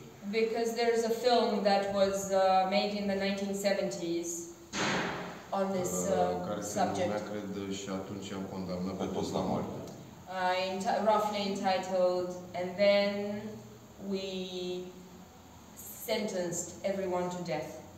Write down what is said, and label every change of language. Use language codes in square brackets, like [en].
[en] because there is a film that was made in the 1970s on this subject. [ro] Care se numea, cred, și atunci am condamnat pe toți la moarte. [en] Roughly entitled, and then we sentenced everyone to death.